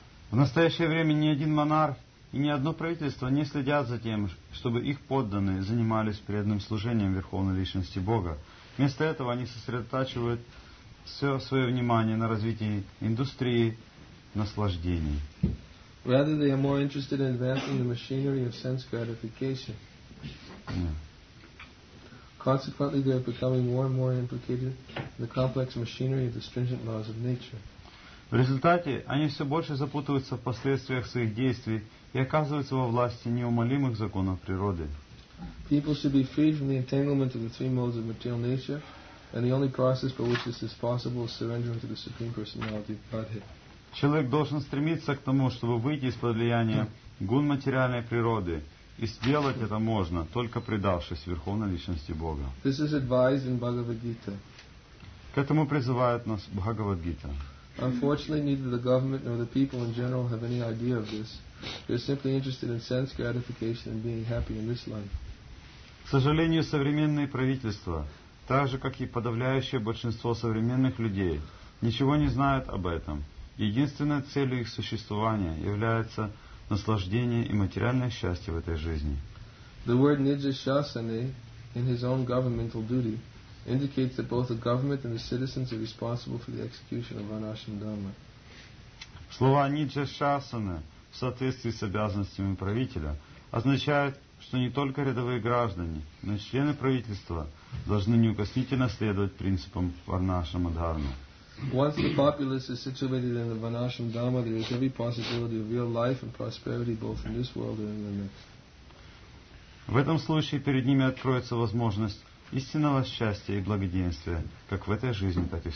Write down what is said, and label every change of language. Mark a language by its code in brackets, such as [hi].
[ru] В настоящее время ни один монарх и ни одно правительство не следят за тем, чтобы их подданные занимались преданным служением Верховной Личности Бога. Вместо этого они сосредотачивают все свое внимание на развитии индустрии наслаждений. [en] Rather, they are more interested in advancing the machinery of sense gratification. Consequently, they are becoming more and more implicated in the complex machinery of the stringent laws of nature. [ru] В результате они все больше запутываются в последствиях своих действий и оказываются во власти неумолимых законов природы. [en] People should be freed from the entanglement of the three modes of material nature, and the only process by which this is possible is surrendering to the Supreme Personality of Godhead. [ru] Человек должен стремиться к тому, чтобы выйти из-под влияния гун материальной природы, и сделать это можно, только предавшись Верховной Личности Бога. [en] This is advised in Bhagavad-gita. [ru] К этому призывает нас Бхагавад-гита. [en] Unfortunately, neither the government nor the people in general have any idea of this. They are simply interested in sense gratification and being happy in this life. [ru] К сожалению, современные правительства, так же как и подавляющее большинство современных людей, ничего не знают об этом. Единственной целью их существования является наслаждение и материальное счастье в этой жизни. [en] The word nijashasane in his own governmental duty indicates that both the government and the citizens are responsible for the execution of anashram dharma. [ru] Слова nijashasane в соответствии с обязанностями правителя означают, что не только рядовые граждане, но и члены правительства должны неукоснительно следовать принципам анашрама дхармы. [en] Once the populace is situated in the Vanashram Dhamma, there is every possibility of real life and prosperity both in this world and in the next. [ru] В этом случае перед ними откроется возможность истинного счастья и благоденствия, как в этой жизни, так и в